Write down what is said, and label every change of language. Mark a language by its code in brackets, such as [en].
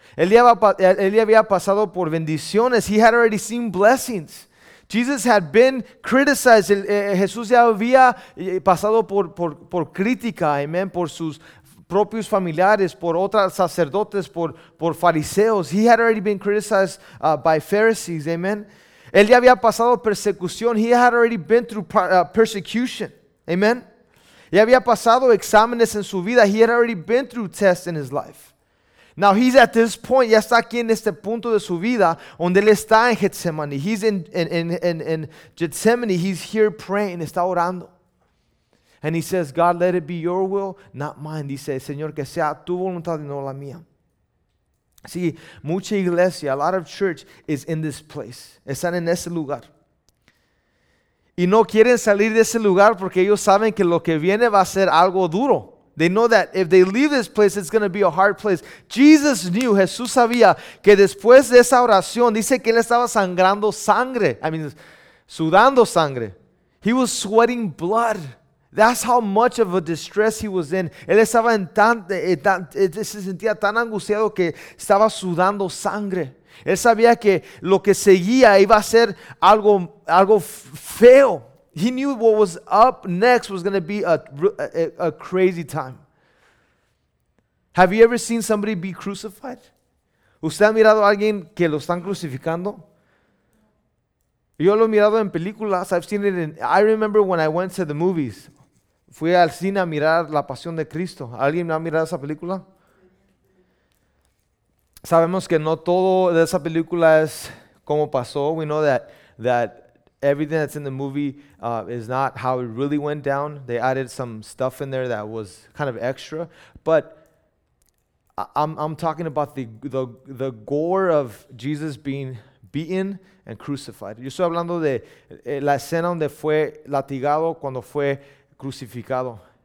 [es] Él ya había pasado por bendiciones. [en] He had already seen blessings. Jesus had been criticized. [es] Jesús ya había pasado por crítica. Amen. Por sus propios familiares, por otros sacerdotes, por fariseos. [en] He had already been criticized by Pharisees, amen. [es] Él ya había pasado persecución. [en] He had already been through persecution, amen. [es] Ya había pasado exámenes en su vida. [en] He had already been through tests in his life. Now he's at this point, [es] ya está aquí en este punto de su vida, donde él está en Getsemaní. [en] He's in Getsemaní. He's here praying, [es] está orando. [en] And he says, God, let it be your will, not mine. [es] Dice, Señor, que sea tu voluntad y no la mía. See, mucha iglesia, [en] a lot of church is in this place. [es] Están en ese lugar. Y no quieren salir de ese lugar porque ellos saben que lo que viene va a ser algo duro. [en] They know that if they leave this place, it's going to be a hard place. Jesus knew, [es] Jesús sabía que después de esa oración, dice que él estaba sangrando sangre. [en] I mean, [es] sudando sangre. [en] He was sweating blood. That's how much of a distress he was in. [es] Él estaba se sentía tan angustiado que estaba sudando sangre. Él sabía que lo que seguía iba a ser algo feo. [en] He knew what was up next was going to be a crazy time. Have you ever seen somebody be crucified? [es] ¿Usted ha mirado a alguien que lo están crucificando? Yo lo he mirado en películas. [en] I've seen it in. I remember when I went to the movies. [es] Fui al cine a mirar La Pasión de Cristo. ¿Alguien ha mirado esa película? Sabemos que no todo de esa película es como pasó. [en] We know that everything that's in the movie is not how it really went down. They added some stuff in there that was kind of extra. But I'm talking about the gore of Jesus being beaten and crucified. [es] Yo estoy hablando de la escena donde fue latigado cuando fue crucificado.